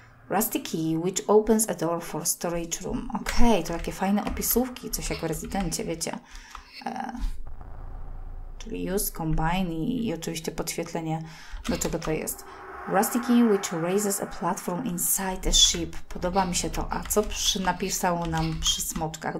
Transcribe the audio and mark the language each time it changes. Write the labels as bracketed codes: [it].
[en] Rusty key, which opens a door for storage room. [pl] Okej, to takie fajne opisówki. Coś jak w rezydencie, wiecie. Czyli use, combine i oczywiście podświetlenie, do czego to jest. [en] Rusty key, which raises a platform inside a ship. [pl] Podoba mi się to. A co napisało nam przy smoczkach?